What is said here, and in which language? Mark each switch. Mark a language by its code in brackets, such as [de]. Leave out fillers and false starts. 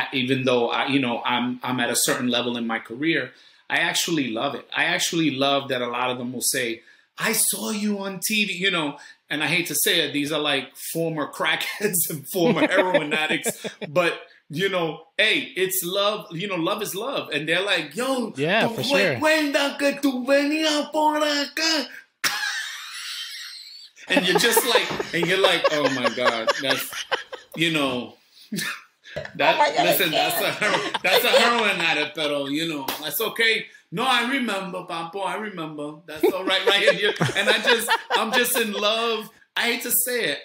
[en] Even though I'm at a certain level in my career, I actually love it. I actually love that a lot of them will say, I saw you on TV, you know, and I hate to say it, these are like former crackheads and former heroin addicts, but you know, hey, it's love. You know, love is love. And they're like, yo, yeah, for sure. [es] Cuenta que tú venías por acá. [en] And you're just like, oh my God, that's, you know, that's a heroin addict, pero, you know, that's okay. No, I remember, Papo, I remember. That's all right, right here. And I'm just in love. I hate to say it.